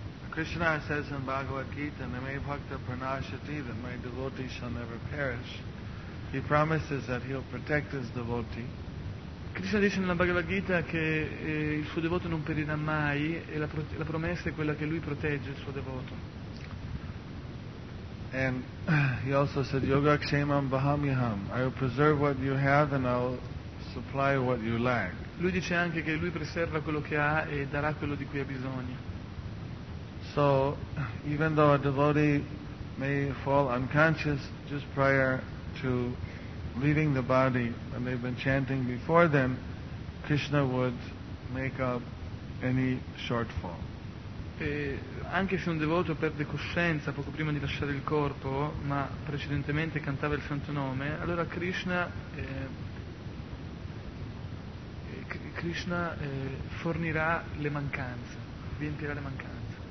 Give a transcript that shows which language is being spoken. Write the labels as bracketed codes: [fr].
[en] Krishna says in Bhagavad Gita, [sa] Name Bhakta Pranashati, [en] that my devotee shall never perish. He promises that he'll protect his devotee. [it] Krishna dice nella Bhagavad Gita che il suo devoto non perirà mai e la promessa è quella che lui protegge il suo devoto. [en] And he also said, [sa] Yoga Kshemam Bahamiham, [en] I will preserve what you have and I'll supply what you lack. [it] Lui dice anche che lui preserva quello che ha e darà quello di cui ha bisogno. [en] So, even though a devotee may fall unconscious just prior to leaving the body and they've been chanting before then, Krishna would make up any shortfall. [it] Anche se un devoto perde coscienza poco prima di lasciare il corpo, ma precedentemente cantava il santo nome, allora Krishna fornirà le mancanze, riempirà le mancanze.